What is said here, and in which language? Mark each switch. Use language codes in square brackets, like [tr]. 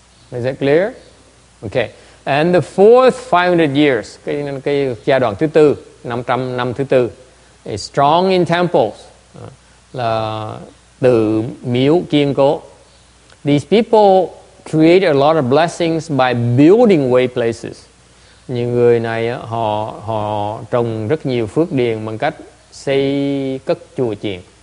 [en] They don't get certified. Is that clear? Okay. And the fourth 500 years, [vi] cái giai đoạn thứ tư, [en] 500 năm thứ tư, is strong in temples, [vi] là từ miếu kiên cố. [en] These people create a lot of blessings by building way places. [vi] Những người này họ trồng rất nhiều phước điền bằng cách xây cất chùa chiền.